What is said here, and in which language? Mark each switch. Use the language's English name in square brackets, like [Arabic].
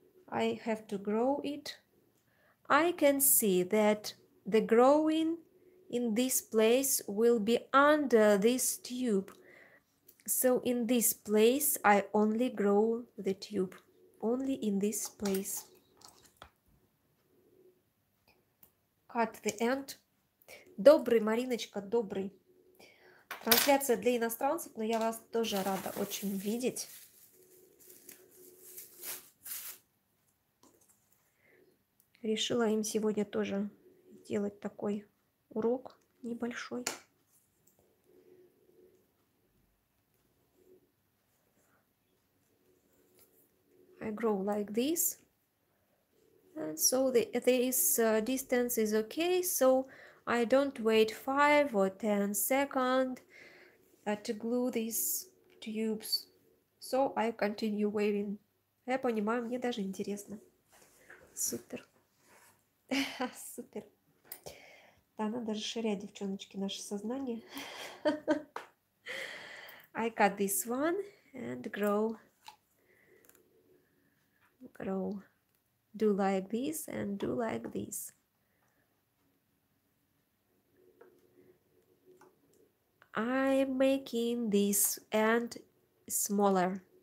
[English] I have to grow it. I can see that the growing in this place will be under this tube. So in this place, I only grow the tube, only in this place. Cut the end. [Russian] Добрый, Мариночка, добрый. Трансляция для иностранцев, но я вас тоже рада очень видеть. Решила им сегодня тоже сделать такой урок небольшой. [English] I grow like this, and so this distance is okay, so I don't wait 5 or 10 seconds to glue these tubes, so I continue waving. [Russian] Я понимаю, мне даже интересно. Супер. Супер. Да, она даже ширяет, девчоночки, наше сознание. [English] I cut this one and grow, do like this and do like this. I'm making this end smaller.